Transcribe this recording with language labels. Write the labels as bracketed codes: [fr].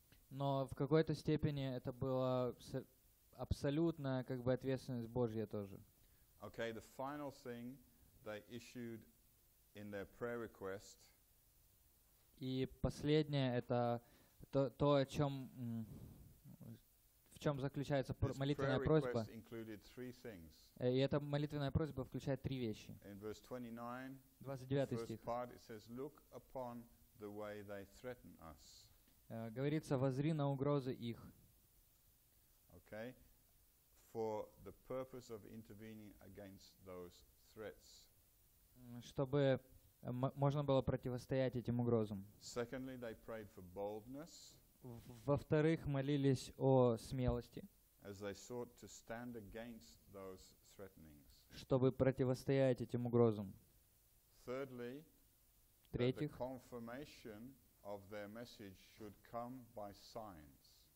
[ru] Но в какой-то степени это была абсолютная как бы ответственность Божья тоже. [en] Okay, the final thing they issued in their prayer request. [ru] И последнее это то, о чем в чем заключается молитвенная просьба. [en] This prayer request included three things. [ru] И эта молитвенная просьба включает три вещи. [en] In verse 29, the first part it says, look upon the way they threaten us. [ru] Говорится, возри на угрозы их. [en] Okay. For the purpose of intervening against those threats. [ru] Чтобы можно было противостоять этим угрозам. [en] Secondly, they prayed for boldness. [ru] Во-вторых, молились о смелости. [en] As they sought to stand against those threatenings. [ru] Чтобы противостоять этим угрозам. [en] Thirdly, [ru] третьих, [en] the confirmation of their message should come by signs.